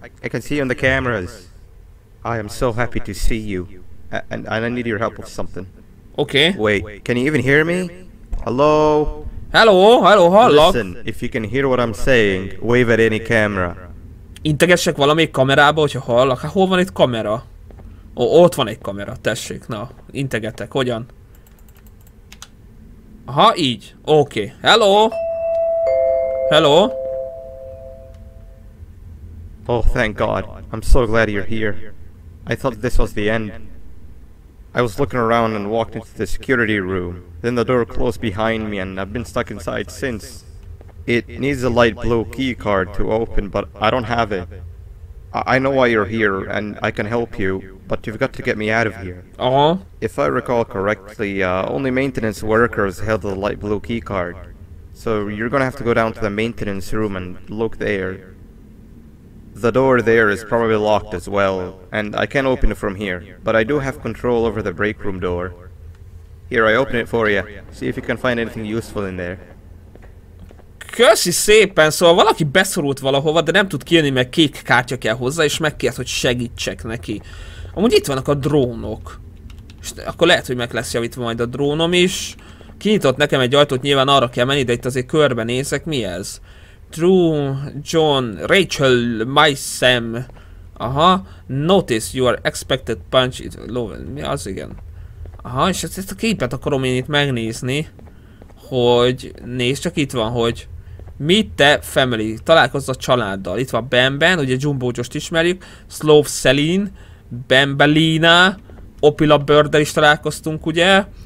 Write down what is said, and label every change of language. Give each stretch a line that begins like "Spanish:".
English: I can see you on the cameras. I am so happy to see you. And I need your help with something. Okay. Wait, can you even hear me? Hello?
Hungarian: Hello, hallok.
English: Listen, if you can hear what I'm saying, wave at any camera.
Hungarian: Integessek valamelyik kamerába, hogyha hallok. Hát hol van itt kamera? Ó, ott van egy kamera, tessék, na, integetek, hogyan? Aha, így, oké. Hello?
English: Oh, thank God. I'm so glad you're here. I thought this was the end. I was looking around and walked into the security room. Then the door closed behind me and I've been stuck inside since. It needs a light blue key card to open, but I don't have it. I know why you're here and I can help you, but you've got to get me out of here. Uh-huh. If I recall correctly, only maintenance workers held the light blue key card. So you're gonna have to go down to the maintenance room and look there. The door there is probably locked as well, and I can't open it from here, but I do have control over the break room door. Here, I open it for you. See if you can find anything useful in there.
Hungarian: Köszi szépen! Szóval valaki beszorult valahova, de nem tud kijönni, mert kék kártya kell hozzá, és megkért, hogy segítsek neki. Amúgy itt vannak a drónok. És akkor lehet, hogy meg lesz javítva majd a drónom is. Kinyitott nekem egy ajtót, nyilván arra kell menni, de itt azért körbenézek. Mi ez? Drew, John, Rachel, my Sam. Aha.
English: Notice your expected punch is low.
Hungarian: Mi az, igen? Aha, és ezt a képet akarom én itt megnézni. Hogy, nézd csak, itt van, hogy
English: meet the family,
Hungarian: találkozz a családdal. Itt van Ben, ugye Jumbo Josh-t ismerjük. Slove Celine, Bembelina, Opila Bird-del is találkoztunk, ugye.